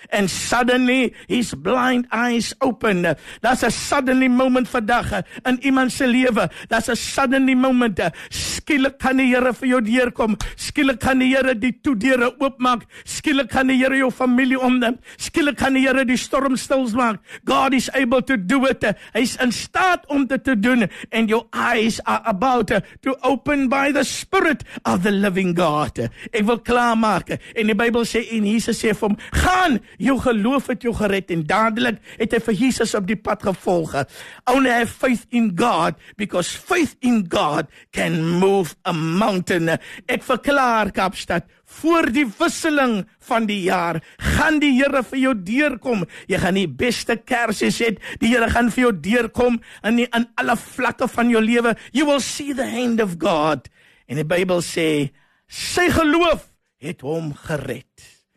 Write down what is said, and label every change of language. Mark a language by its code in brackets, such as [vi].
[en] And suddenly his blind eyes open. That's a suddenly moment [af] vandag in iemand se lewe. [en] That's a suddenly moment. [af] Skielik kan die Here vir jou deurkom. Skielik kan die Here die toe deure oopmaak. Skielik kan die Here jou familie omdraai. Skielik kan die Here die storm stilmaak. [en] God is able to do it. [af] Hy's in staat om dit te doen. [en] And your eyes are about to open by the Spirit of the Living God. [af] Ek wil klaarmaak. En die Bybel sê, en Jesus sê vir hom, gaan, jou geloof het jou gered. En dadelijk het hy vir Jesus op die pad gevolg. [en] Only have faith in God, because faith in God can move a mountain. [af] Ek verklaar, Kaapstad, voor die wisseling van die jaar, gaan die Here vir jou deurkom. Jy gaan die beste kersies het, die Here gaan vir jou deurkom, en in alle vlakke van jou lewe, [en] you will see the hand of God. [af] En die Bybel sê, sy geloof het hom gered.